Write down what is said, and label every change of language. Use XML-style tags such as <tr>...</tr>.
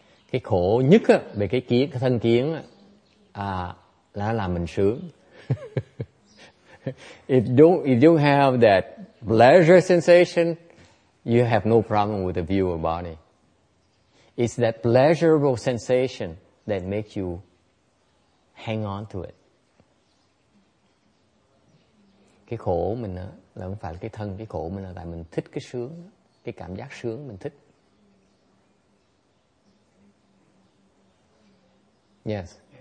<vi>Cái khổ nhất á, về cái thân kiến á, là làm mình sướng.</vi> <en>if you don't have that pleasure sensation, you have no problem with the view of body. It's that pleasurable sensation that makes you hang on to it.</en> <vi>Cái khổ mình đó, là không phải là cái thân, cái khổ mình là tại mình thích cái sướng, cái cảm giác sướng mình thích.</vi> <en>Yes.</en>